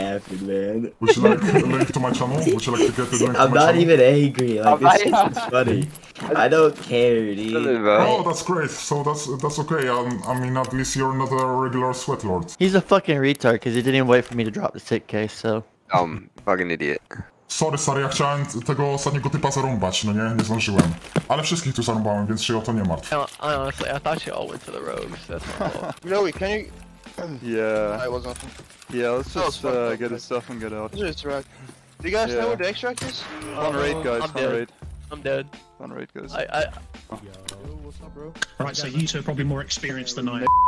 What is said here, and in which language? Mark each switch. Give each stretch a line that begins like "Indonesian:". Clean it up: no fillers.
English: would you like a link to my channel? Would you like to get the link I'm I'm not even angry, like, this shit is funny. I don't care, dude. Oh, that's great, so that's okay, I mean, at least you're not a regular sweat lord. He's a fucking retard, because he didn't even wait for me to drop the tick case, so. Fucking idiot.
Polish: Sorry, stary, ja chciałem tego ostatniego typa zarąbać, no nie? Nie zdążyłem. Ale wszystkich tu zarąbałem, więc się o to nie martw.
English: Honestly, I thought you all went to the rogues, that's my fault. Joey, can you... Yeah, let's just get his stuff and get out. Just right. Do you guys know where the extract is? On raid, guys, on raid. I'm dead. On raid, guys. Yo, what's up, bro? Right, so you two are probably more experienced than I am.